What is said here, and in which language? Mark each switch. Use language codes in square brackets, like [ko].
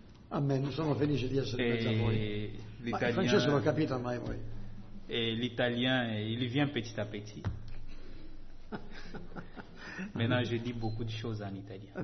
[it] Amen. Sono felice di essere mezzo a voi. [fr] L'italien, [it] il francese l'ho capito ormai voi. [fr] E l'italien, il vient petit à petit. Maintenant, je dis beaucoup de choses en italien.